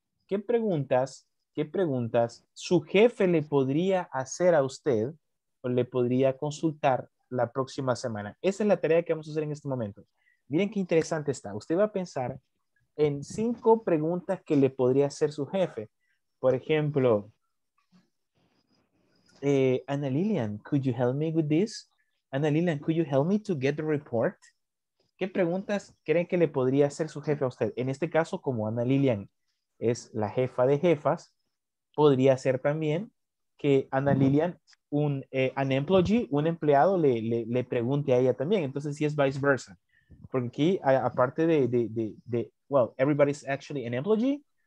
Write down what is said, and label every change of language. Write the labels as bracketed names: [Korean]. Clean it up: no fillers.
[Spanish] ¿Qué preguntas su jefe le podría hacer a usted o le podría consultar la próxima semana? Esa es la tarea que vamos a hacer en este momento. Miren qué interesante está. Usted va a pensar en 5 preguntas que le podría hacer su jefe. Por ejemplo, [English] Ana Lilian, could you help me with this? Ana Lilian, could you help me to get the report? [Spanish] ¿Qué preguntas creen que le podría hacer su jefe a usted? En este caso, como Ana Lilian es la jefa de jefas, podría ser también que Ana Lilian, un empleado, le pregunte a ella también. Entonces, sí es vice versa. Porque aquí, aparte de [English] well, everybody's actually an employee.